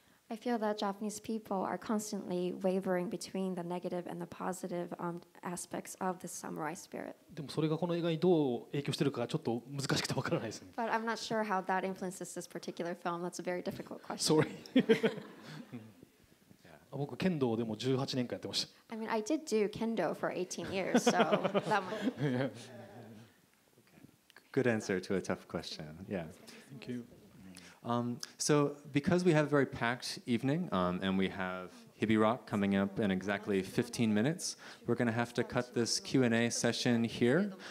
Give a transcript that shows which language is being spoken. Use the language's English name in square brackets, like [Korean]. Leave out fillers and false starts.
[English] I feel that Japanese people are constantly wavering between the negative and the positive aspects of the samurai spirit. [Japanese] でもそれがこの映画にどう影響してるかちょっと難しくてわからないですね。 [English] But I'm not sure how that influences this particular film. That's a very difficult question. Sorry. [Japanese] 僕剣道でも18年間やってました。 [English] I mean, I did do kendo for 18 years, so that much. Good answer to a tough question. Yeah. Thank you. So because we have a very packed evening and we have Hibi Rock coming up in exactly 15 minutes, we're going to have to cut this Q&A session here.